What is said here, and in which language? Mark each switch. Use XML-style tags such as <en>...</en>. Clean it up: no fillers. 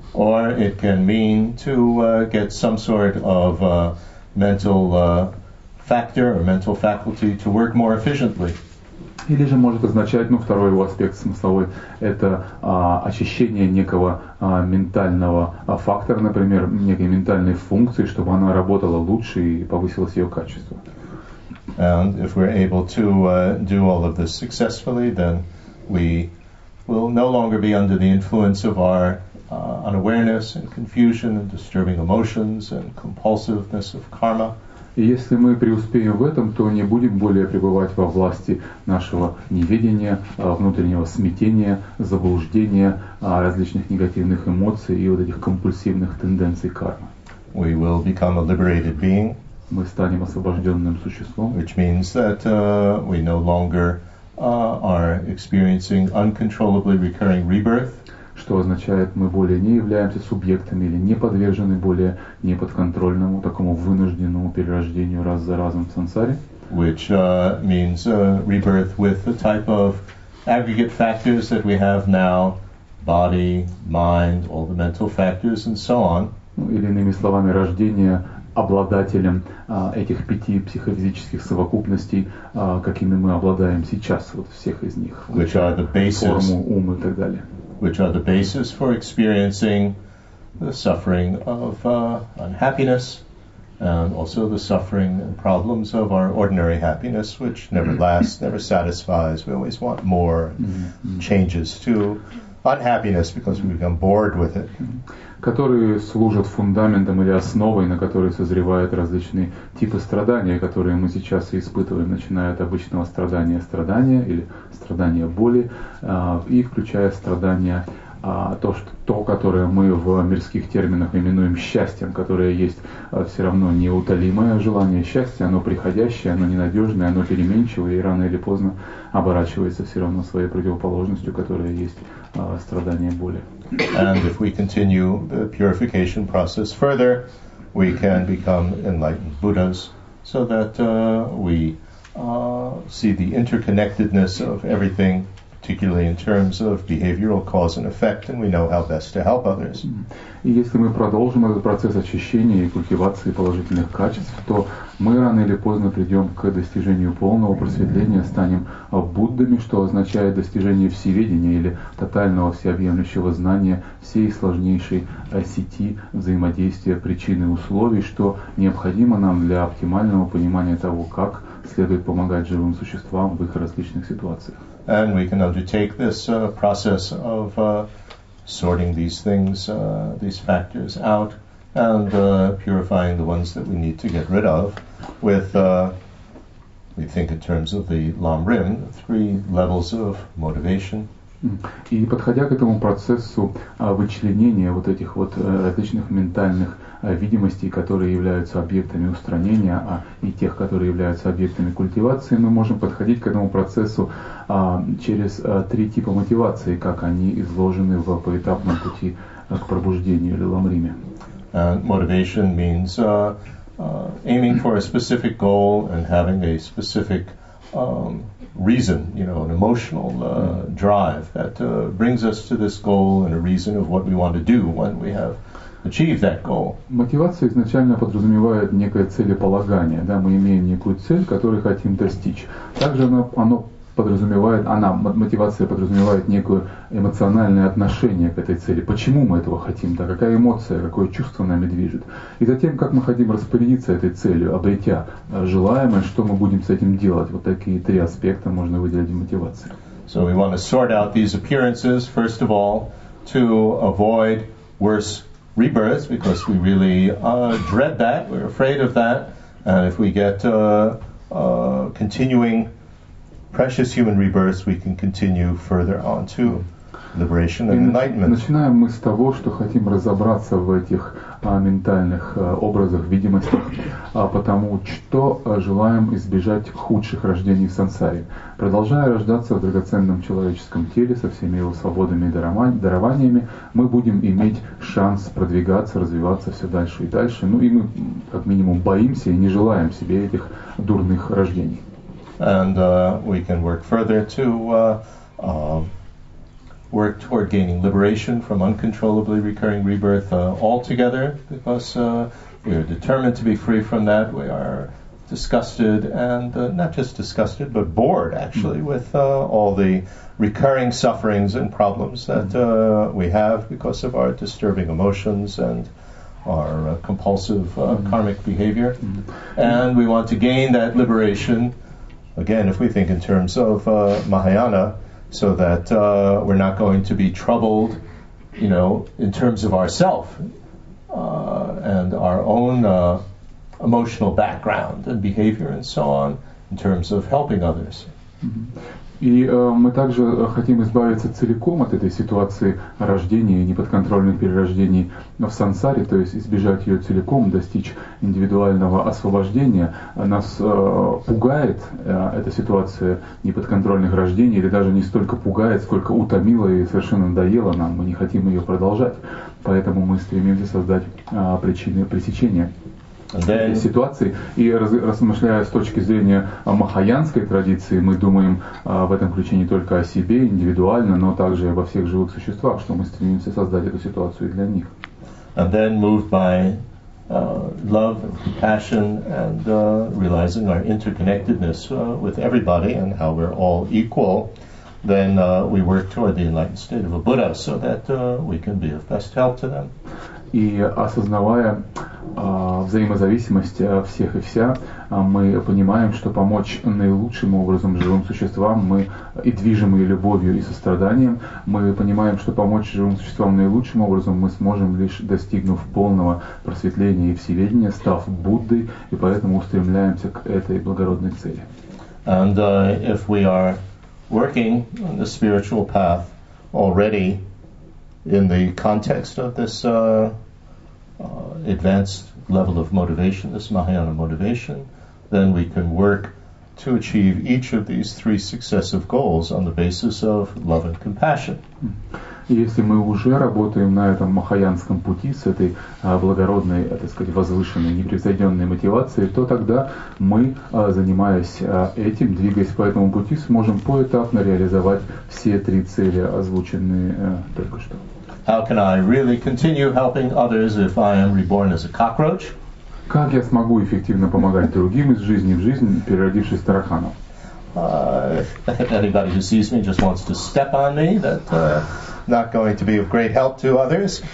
<en>Or it can mean to get some sort of mental factor or mental faculty to work more efficiently.</en> <ru>Или же может означать, ну, второй его аспект смысловой, это очищение некого ментального фактора, например, некой ментальной функции, чтобы она работала лучше и повысилось ее качество.</ru> <en>And if we're able to do all of this successfully, then we will no longer be under the influence of our unawareness and confusion and disturbing emotions and compulsiveness of karma.</en> <ru>Если мы преуспеем в этом, то не будем более пребывать во власти нашего неведения, внутреннего смятения, заблуждения, различных негативных эмоций и вот этих компульсивных тенденций кармы.</ru> <en>We will become a liberated being.</en> <ru>Мы станем освобожденным существом.</ru> <en>Which means that we no longer are experiencing uncontrollably recurring rebirth.</en> <ru>Что означает, мы более не являемся субъектами или не подвержены более неподконтрольному, такому вынужденному перерождению раз за разом в сансаре.</ru> <en>Which means rebirth with the type of aggregate factors that we have now, body, mind, all the mental factors and so on.</en> <ru>Ну, или иными словами, рождение обладателем этих пяти психофизических совокупностей, какими мы обладаем сейчас, вот всех из них,</ru> <en>which are the basis.</en> <ru>Форму, ум и так далее.</ru> <en>Which are the basis for experiencing the suffering of unhappiness and also the suffering and problems of our ordinary happiness, which never lasts, never satisfies. We always want more changes to unhappiness because we become bored with it.</en> <ru>Которые служат фундаментом или основой, на которой созревают различные типы страдания, которые мы сейчас и испытываем, начиная от обычного страдания или страдания боли, и включая страдания, то, которое мы в мирских терминах именуем счастьем, которое есть все равно неутолимое желание счастья, оно приходящее, оно ненадежное, оно переменчивое и рано или поздно оборачивается все равно своей противоположностью, которая есть страдание боли.</ru> <en>And if we continue the purification process further, we can become enlightened Buddhas, so that we see the interconnectedness of everything, particularly in terms of behavioral cause and effect, and we know how best to help others.</en> <ru>И если мы продолжим этот процесс очищения и культивации положительных качеств, то мы рано или поздно придем к достижению полного просветления, станем Буддами, что означает достижение всеведения или тотального всеобъемлющего знания всей сложнейшей сети взаимодействия причин и условий, что необходимо нам для оптимального понимания того, как следует помогать живым существам в их различных ситуациях.</ru> <en>And we can undertake this process of sorting these things, these factors out, and purifying the ones that we need to get rid of with, we think in terms of the Lam Rim, three levels of motivation.</en> <ru>И подходя к этому процессу вычленения вот этих вот различных ментальных видимостей, которые являются объектами устранения, и тех, которые являются объектами культивации, мы можем подходить к этому процессу через три типа мотивации, как они изложены в поэтапном пути к пробуждению или ламриме.</ru> <en>Motivation means aiming for a specific goal and having a specific reason, you know, an emotional drive that brings us to this goal and a reason of what we want to do when we have achieved that goal.</en> <ru>Мотивация изначально подразумевает некое целеполагание, да, мы имеем некую цель, которую хотим достичь. Также мотивация подразумевает некое эмоциональное отношение к этой цели. Почему мы этого хотим? Да, какая эмоция, какое чувство нами движет? И затем, как мы хотим распорядиться этой целью, обретя желаемое, что мы будем с этим делать? Вот такие три аспекта можно выделить в мотивации.</ru> <en>So we want to sort out these appearances, first of all, to avoid worse rebirths, because we really dread that, we're afraid of that. And if we get continuing precious human rebirths, we can continue further on to liberation and enlightenment.</en> <ru>Начинаем мы с того, что хотим разобраться в этих ментальных образах, видимостях, потому что желаем избежать худших рождений в сансаре. Продолжая рождаться в драгоценном человеческом теле со всеми его свободами и дарованиями, мы будем иметь шанс продвигаться, развиваться все дальше и дальше. Ну и мы, как минимум, боимся и не желаем себе этих дурных рождений.</ru> <en>And we can work further to work toward gaining liberation from uncontrollably recurring rebirth altogether, because we are determined to be free from that. We are disgusted, and not just disgusted, but bored, actually, with all the recurring sufferings and problems that we have because of our disturbing emotions and our compulsive karmic behavior. And we want to gain that liberation, again, if we think in terms of Mahayana, so that we're not going to be troubled, you know, in terms of ourself and our own emotional background and behavior and so on, in terms of helping others.</en> <ru>И мы также хотим избавиться целиком от этой ситуации рождения и неподконтрольных перерождений в сансаре, то есть избежать ее целиком, достичь индивидуального освобождения. Нас пугает эта ситуация неподконтрольных рождений, или даже не столько пугает, сколько утомила и совершенно надоела нам. Мы не хотим ее продолжать. Поэтому мы стремимся создать причины пресечения.</ru> <en>Then,</en> <ru>ситуации. И размышляя с точки зрения махаянской традиции, мы думаем в этом ключе не только о себе индивидуально, но также обо всех живых существах, что мы стремимся создать эту ситуацию для них.</ru> <en>And then moved by love, compassion, and realizing our interconnectedness with everybody and how we're all equal, then we work toward the enlightened state of a Buddha so that we can be of best help to them.</en> <ru>И осознавая взаимозависимость всех и вся, мы понимаем, что помочь наилучшим образом живым существам, мы и движимые любовью и состраданием, мы понимаем, что помочь живым существам наилучшим образом мы сможем, лишь достигнув полного просветления и всеведения, став Буддой, и поэтому устремляемся к этой благородной цели.</ru> <en>And if we are working on the spiritual path already in the context of this advanced level of motivation, this Mahayana motivation, then we can work to achieve each of these three successive goals on the basis of love and compassion.</en> <ru>Если мы уже работаем на этом махаянском пути с этой благородной, так сказать, возвышенной, непревзойденной мотивацией, то тогда мы, занимаясь этим, двигаясь по этому пути, сможем поэтапно реализовать все три цели, озвученные только что.</ru> <en>How can I really continue helping others if I am reborn as a cockroach?</en> <ru>Как я смогу эффективно помогать другим из жизни в жизнь, переродившись тараканом?</ru> <en>Anybody who sees me just wants to step on me, that not going to be of great help to others.</en>